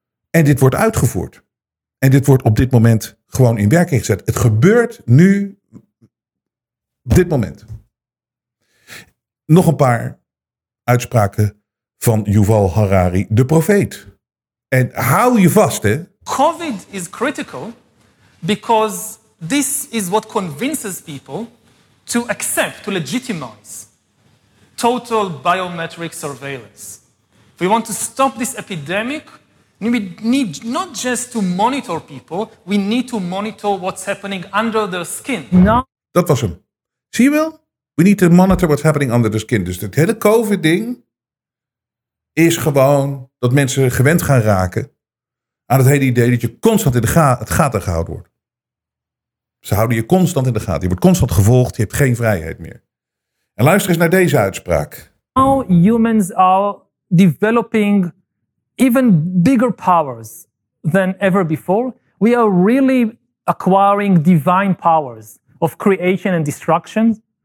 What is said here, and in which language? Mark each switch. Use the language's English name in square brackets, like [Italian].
[Dutch] En dit wordt uitgevoerd. En dit wordt op dit moment gewoon in werking gezet. Het gebeurt nu, dit moment. Nog een paar uitspraken van Yuval Harari, de profeet. En hou je vast, hè. [English] COVID is critical because this is what convinces people to accept, to legitimize total biometric surveillance. If we want to stop this epidemic, we need not just to monitor people, we need to monitor what's happening under their skin. No. [Dutch] Dat was hem. Zie je wel? [English] We need to monitor what's happening under the skin. [Dutch] Dus het hele COVID-ding is gewoon dat mensen gewend gaan raken aan het hele idee dat je constant in de gaten gehouden wordt. Ze houden je constant in de gaten. Je wordt constant gevolgd. Je hebt geen vrijheid meer. En luister eens naar deze uitspraak. [English] Now humans are developing even bigger powers than ever before. We are really acquiring divine powers of creation and destruction.